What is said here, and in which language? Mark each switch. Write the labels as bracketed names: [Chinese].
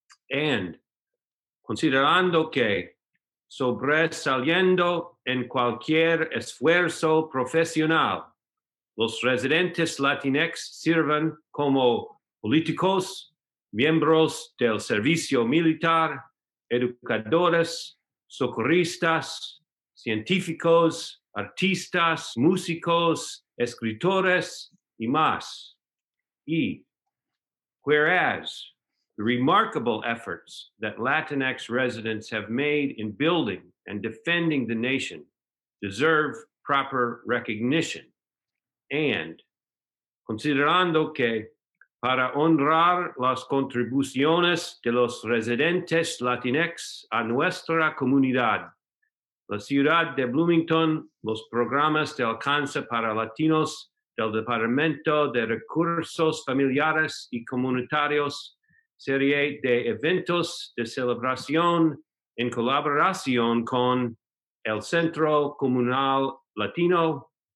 [Spanish] And considerando que sobresaliendo en cualquier esfuerzo profesional, los residentes Latinx sirven como políticos, miembros del servicio militar, educadores, socorristas, científicos, artistas, músicos, escritores, y más. [English] Y, whereas, the remarkable efforts that Latinx residents have made in building and defending the nation deserve proper recognition. [Spanish] And considerando que para honrar las contribuciones de los residentes Latinx a nuestra comunidad, la ciudad de Bloomington, los programas de alcance para Latinos del Departamento de Recursos Familiares y Comunitarios, serie de eventos de celebración en colaboración con el Centro Comunal Latino,